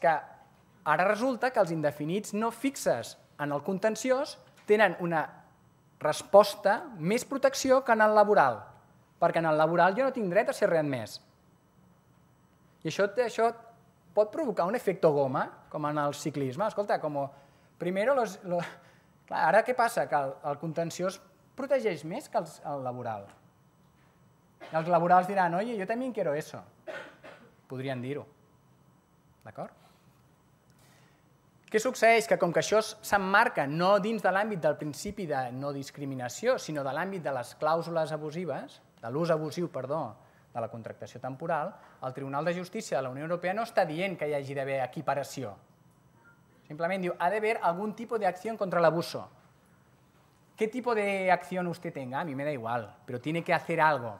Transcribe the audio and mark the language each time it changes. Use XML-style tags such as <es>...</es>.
<ca>Que ara resulta que els indefinits no fixes en el contenciós tenen una resposta més protecció que en el laboral, perquè en el laboral jo no tinc dret a ser readmès. I això pot provocar un efecte goma, com en el ciclisme. Escolta, com primero clar, ara què passa? Que el contenciós protegeix més que el laboral. I els laborals diran,</ca> <es>oye, yo también quiero eso.</es> <ca>Podrien dir-ho. D'acord? Què succeeix? Que com que això s'emmarca no dins de l'àmbit del principi de no discriminació, sinó de l'àmbit de les clàusules abusives, de l'ús abusiu, perdó, de la contractació temporal, el Tribunal de Justícia de la Unió Europea no està dient que hi hagi d'haver equiparació. Simplement diu, ha d'haver algun tipus d'acció contra l'abuso.</ca> <es>¿Qué tipo de acción usted tenga? A mí me da igual, pero tiene que hacer algo.</es>